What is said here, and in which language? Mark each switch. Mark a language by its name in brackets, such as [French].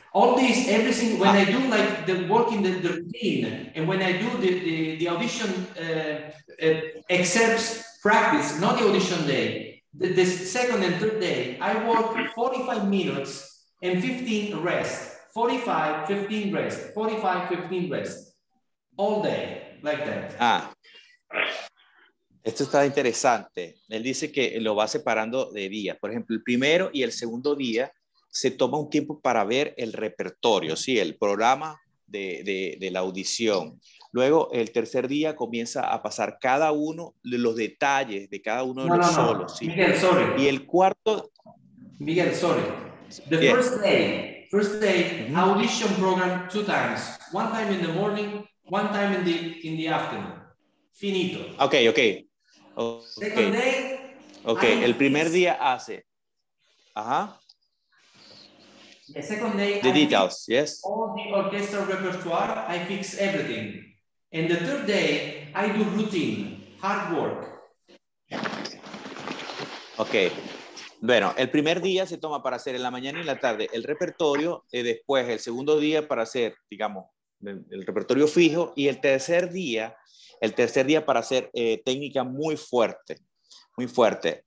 [English] All this, everything, when I do like the work in the routine, and when I do the audition excerpts practice, not the audition day, the second and third day, I work 45 minutes and 15 rest, 45, 15 rest, 45, 15 rest, all day, like that. [Spanish] Ah, esto está interesante. Él dice que lo va separando de días. Por ejemplo, el primero y el segundo día, se toma un tiempo para ver el repertorio, ¿sí? El programa de la audición. Luego, el tercer día comienza a pasar cada uno de los detalles de cada uno de los solos. ¿Sí? Miguel, [English] sorry. [Spanish] Y el cuarto... [English] Miguel, sorry. The first day, mm-hmm, audition program 2 times. 1 time in the morning, 1 time in the afternoon. [Italian] Finito. [English] Okay. Second day, [Spanish] el primer día hace... Ajá. [English] The second day, the details, yes. All the orchestra repertoire, I fix everything. And the third day, I do routine, hard work. Okay. [Spanish] Bueno, el primer día se toma para hacer en la mañana y en la tarde el repertorio, y después el segundo día para hacer, digamos, el repertorio fijo, y el tercer día para hacer técnica muy fuerte, muy fuerte.